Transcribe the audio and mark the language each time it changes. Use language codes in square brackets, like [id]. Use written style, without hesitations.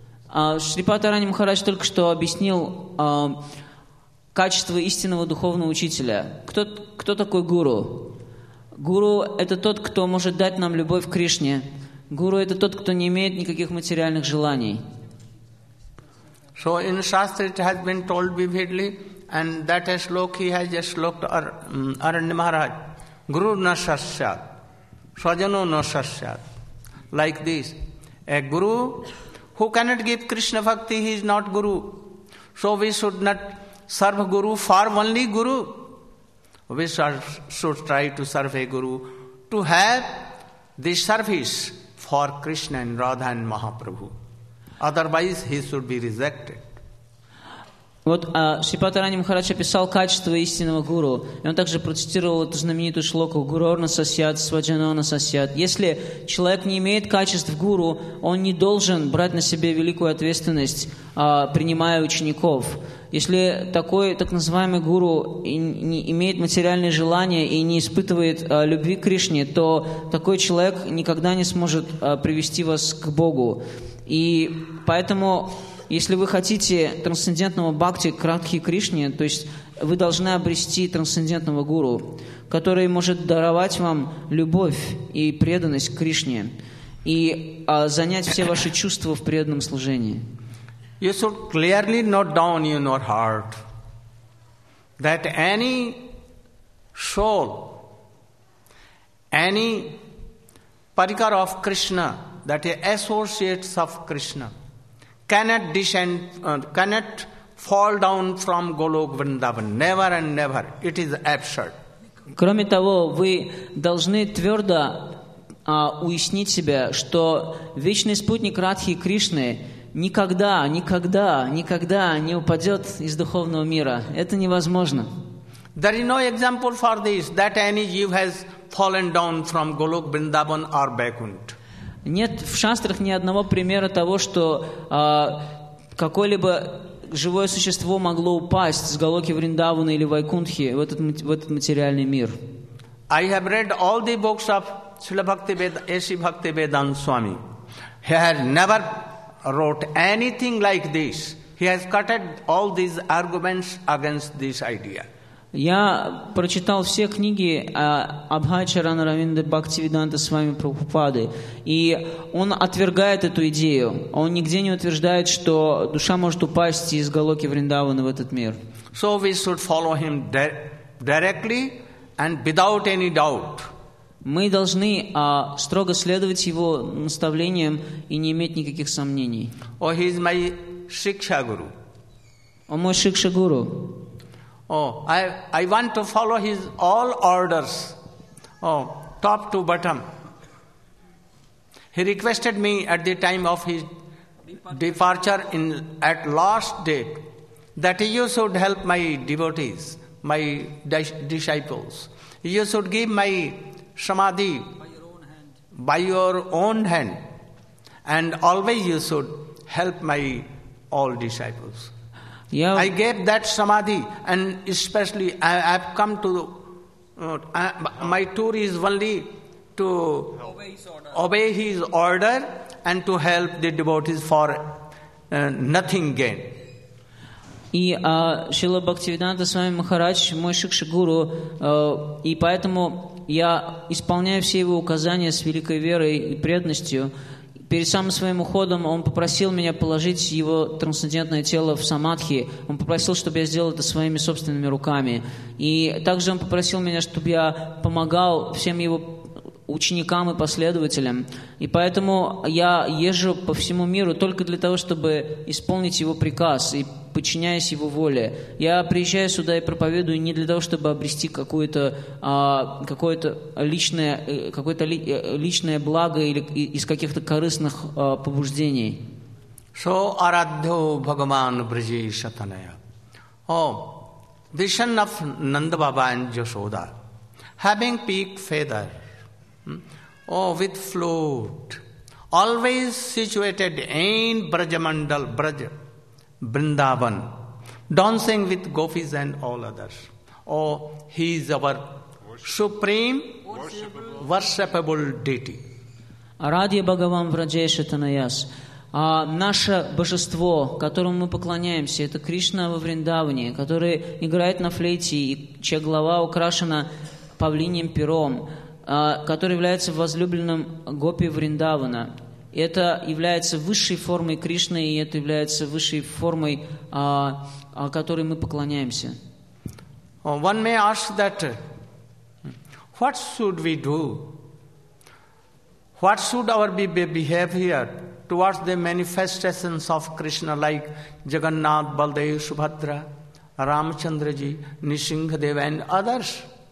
[ru] Шрипад Арани Махарадж только что объяснил качество истинного духовного учителя. Кто такой гуру? Гуру – это тот, кто может дать нам любовь к Кришне. Гуру – это тот, кто не имеет никаких материальных желаний. [en] So in Shastra it has been told vividly, and that a shloka he has just shloked Arani Maharaj. [sa] Guru na sasyat, swajano na sasyat. [en] Like this, a guru who cannot give Krishna bhakti, he is not guru. So we should not serve guru for only guru. We should try to serve a guru to have this service for Krishna and Radha and Mahaprabhu. Otherwise, he should be rejected. [ru] Вот Шипата Рани Махарадж описал качество истинного гуру. И он также процитировал эту знаменитую шлоку [sa] «Гурор насасьят, сваджанон насасьят». [ru] Если человек не имеет качеств гуру, он не должен брать на себе великую ответственность, принимая учеников. Если такой так называемый гуру не имеет материальные желания и не испытывает любви к Кришне, то такой человек никогда не сможет привести вас к Богу. И поэтому... Если вы хотите трансцендентного бхакти к Радхе Кришне, то есть вы должны обрести трансцендентного гуру, который может даровать вам любовь и преданность к Кришне и занять все ваши чувства в преданном служении. [en] You should clearly note down in your heart that any soul, any parikara of Krishna, that is associates of Krishna, cannot descend, cannot fall down from Golok Vrindavan. Never and never. It is absurd. [ru] Кроме того, вы должны твердо уяснить себе, что вечный спутник Радхи Кришны никогда, никогда, никогда не упадет из духовного мира. Это невозможно. [en] There is no example for this, that any jiv has fallen down from Golok Vrindavan or Vaikunth. [ru] Нет в шастрах ни одного примера того, что какое-либо живое существо могло упасть с Голоки Вриндавана или Вайкунтхи в этот материальный мир. [en] I have read all the books of Śrīla Bhaktivedanta Swami. He has never wrote anything like this. He has cut all these arguments against this idea. [ru] Я прочитал все книги Абхайчарана Равинда Бхактивиданта Свами Прабхупады, и он отвергает эту идею. Он нигде не утверждает, что душа может упасть из Голоки Вриндавана в этот мир. [en] So we should follow him directly and without any doubt. [ru] Мы должны строго следовать его наставлениям и не иметь никаких сомнений. [en] Oh, he is my Shiksha Guru. [ru] Он мой Шикша Гуру. [en] Oh, I want to follow his all orders, oh, top to bottom. He requested me at the time of his departure in at last day that you should help my devotees, my disciples. You should give my samadhi by your own hand, and always you should help my all disciples. I gave that samadhi, and especially I've come to my tour is only to obey his order and to help the devotees for nothing gain. [ru] И Шрила Бхактивиданта Свами Махарадж, мой шикшигуру, и поэтому я исполняю все его указания с великой верой и преданностью. Перед самым своим уходом он попросил меня положить его трансцендентное тело в самадхи. Он попросил, чтобы я сделал это своими собственными руками. И также он попросил меня, чтобы я помогал всем его ученикам и последователям. И поэтому я езжу по всему миру только для того, чтобы исполнить его приказ и подчиняясь его воле. Я приезжаю сюда и проповедую не для того, чтобы обрести какое-то личное благо или из каких-то корыстных побуждений. [sa] So Araddho Bhagavan Braje Satanaya. [en] Oh, the son of Nanda Baba and Yashoda, having peak feather, oh, with float, always situated in Brajamandal, Braja, Vrindavan, dancing with gopis and all others. Oh, he is our worshipable deity. [sa] Радья Бхагаван Враджей Шатанаяс. [ru] Наше божество, которому мы поклоняемся, это Кришна во Вриндаване, который играет на флейте, и чья голова украшена павлиньим пером, который является возлюбленным гопи Вриндавана. Это является высшей формой Кришны, и это является высшей формой, которой мы поклоняемся. [en] One may ask that, what should we do? What should our behavior towards the manifestations of Krishna, like Jagannath, Baldev, Subhadra, Ramachandraji, Nishingadeva, and others?